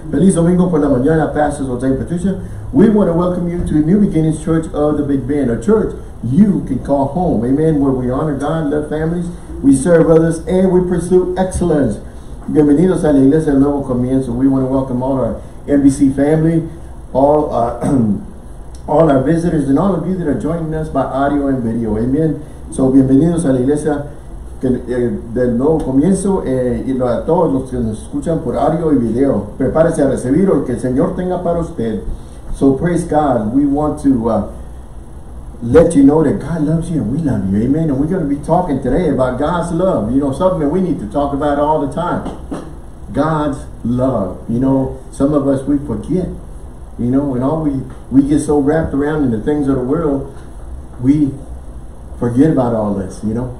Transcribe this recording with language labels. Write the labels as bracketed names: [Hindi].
[Spanish] Feliz domingo por la mañana, Pastors José y Patricia. [English] We want to welcome you to New Beginnings Church of the Big Bend, a church you can call home. Amen. Where we honor God, love families, we serve others, and we pursue excellence. [Spanish] Bienvenidos a la Iglesia del Nuevo Comienzo. [English] We want to welcome all our NBC family, all our visitors, and all of you that are joining us by audio and video. Amen. [Spanish] So, bienvenidos a la Iglesia del Nuevo Comienzo, y a todos los que nos escuchan por audio y video. Prepárese a recibir lo que el Señor tenga para usted. [English] So, praise God. We want to let you know that God loves you and we love you. Amen. And we're going to be talking today about God's love. You know, something that we need to talk about all the time. God's love. You know, some of us, we forget. You know, and all we get so wrapped around in the things of the world, we forget about all this, you know.